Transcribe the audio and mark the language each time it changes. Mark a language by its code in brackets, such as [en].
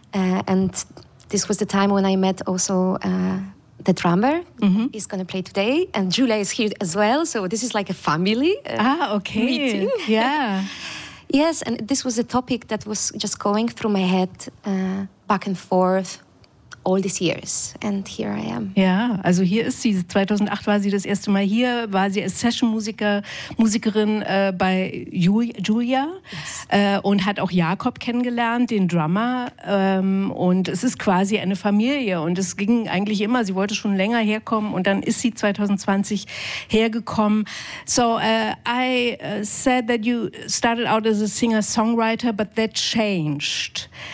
[en] And this was the time when I met also the drummer. Mm-hmm. He's gonna play today, and Julia is here as well. So this is like a family meeting. Yeah. Yes, and this was a topic that was just going through my head back and forth all these years, and here I am. [de] Ja, also hier ist sie. 2008 war sie das erste Mal hier, war sie als Session-Musikerin bei Julia. [en] Yes. [de] Und hat auch Jakob kennengelernt, den Drummer. Und es ist quasi eine Familie. Und es ging eigentlich immer, sie wollte schon länger herkommen. Und dann ist sie 2020 hergekommen. [en] So, I said that you started out as a singer-songwriter, but that changed.